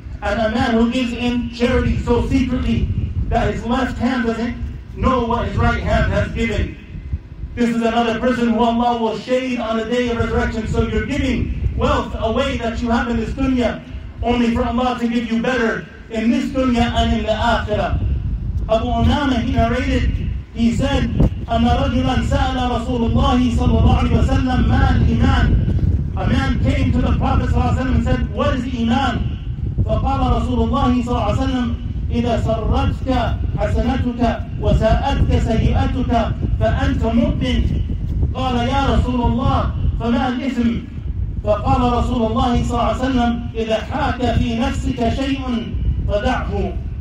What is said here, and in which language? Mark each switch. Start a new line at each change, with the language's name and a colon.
English: And a man who gives in charity so secretly that his left hand doesn't know what his right hand has given. This is another person who Allah will shade on the day of resurrection. So you're giving wealth away that you have in this dunya only for Allah to give you better in this dunya and in the akhirah.
Arabic: Abu Umama,
English: he narrated, he said,
Arabic: أَنَّ رَجُلًا سَأَلَ رَسُولُ اللَّهِ صَلَّى اللَّهُ عَلَيْهِ وَسَلَّمْ مَا الْإِيمَانِ.
English: A man came to the Prophet ﷺ and said, what is Iman?
Arabic: فَقَالَ رَسُولُ اللَّهِ صَلَى اللَّهِ وَسَلَّمْ إِذَا سَرَّتْكَ حَسَنَتُكَ وَسَاءَتْكَ سَيِّئَتُكَ فَأَنْتَ مُؤْمِنْ قَالَ يَا رَسُولُ اللَّهِ فَمَا الْإِثْمْ فَقَالَ رَسُولُ اللَّهِ صَلَى اللَّهِ وَسَلَّمْ إِذَا حَاكَ فِي نَفْسِكَ شَيْءٌ فَدَعْهُ.